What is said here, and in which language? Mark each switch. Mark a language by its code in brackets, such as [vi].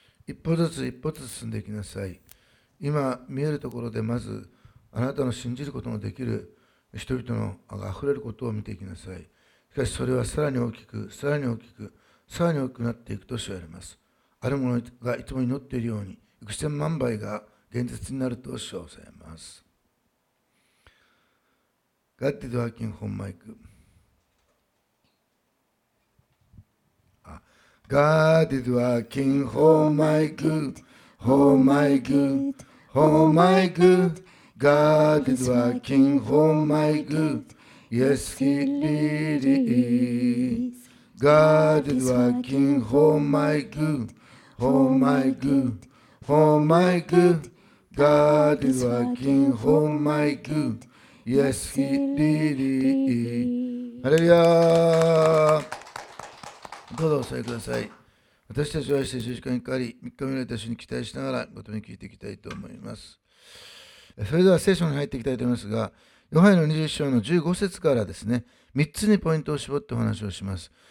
[ja] 一歩ずつ一歩ずつ進んでいきなさい。今見えるところでまずあなたの信じることのできる人々のあふれることを見ていきなさい。しかしそれはさらに大きく、さらに大きく、さらに大きくなっていくと主は言われます。ある者がいつも祈っているように、幾千万倍が現実になると主は教えます。 [en] God is working from my goodGod is working for my good, for my good, for my good. God is working for my good, yes, He really is. God is working for my good, for my good, for my good. God is working for my good, yes, He really is. [ja] ハレルヤー。どうぞお座りください。私たちは十字架にかかり、3日目の私に期待しながら御言葉に聞いていきたいと思います。それでは聖書に入っていきたいと思いますが、ヨハネの20章の15節からですね、3つにポイントを絞ってお話をします。